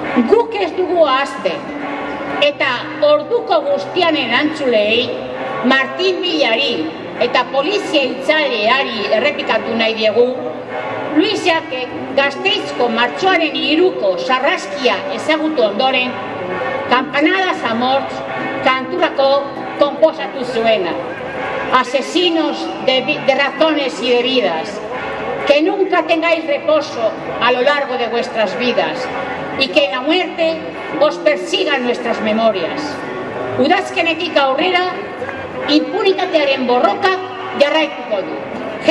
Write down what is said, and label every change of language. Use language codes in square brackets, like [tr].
[eu] Guk ez dugu ahazte eta orduko guztian erantzuleei Martin Villari eta polizia itzaleari errepikatu nahi diegu Luisak Gasteizko martxoaren iruko sarraskia ezagutu ondoren Kampanadas Amortz kanturako konposatu zuena. [es] asesinos de razones y de vidas. Que nunca tengáis reposo a lo largo de vuestras vidas y que en la muerte os persigan nuestras memorias. [eu] Udazkenetik aurrera, impunitatearen borroka jarraituko du.